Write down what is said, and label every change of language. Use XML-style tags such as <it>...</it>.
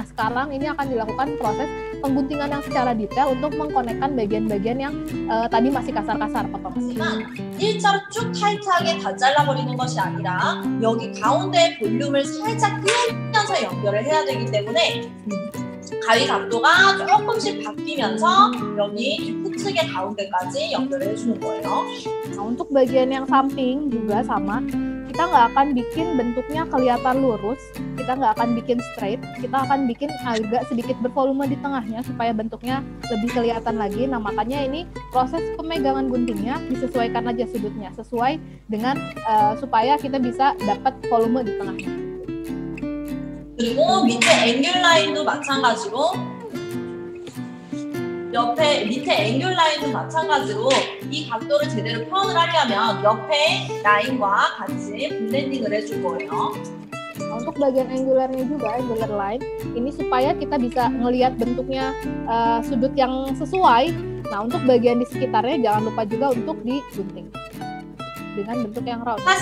<id>Nah, sekarang ini akan dilakukan proses pengguntingan yang secara detail untuk mengkonekkan bagian-bagian yang tadi masih kasar-kasar potongannya.</id> <ko>일자로 쭉 타이트하게 다 잘라버리는 것이 아니라 여기 가운데 볼륨을 살짝 끼우면서 연결을 해야 되기 때문에 가위 각도가 조금씩 바뀌면서 여기 후측의 가운데까지 연결을 해주는 거예요.</ko> <id>Nah, untuk bagian yang samping juga sama. Kita nggak akan bikin bentuknya kelihatan lurus, kita nggak akan bikin straight, kita akan bikin agak sedikit bervolume di tengahnya supaya bentuknya lebih kelihatan lagi. Nah, makanya ini proses pemegangan guntingnya disesuaikan aja sudutnya, sesuai dengan supaya kita bisa dapat volume di tengahnya.</id> <ko>그리고 밑에 angle line도 마찬가지로 옆에 밑에 앵귤 라인도 마찬가지로 이 각도를 제대로 표현을 하려면 옆에 라인과 같이 블렌딩을 해줄 거예요.</ko> <id>Nah, untuk bagian angularnya juga, angular line, ini supaya kita bisa melihat bentuknya sudut yang sesuai. Nah, untuk bagian di sekitarnya jangan lupa juga untuk digunting dengan bentuk yang round.</id>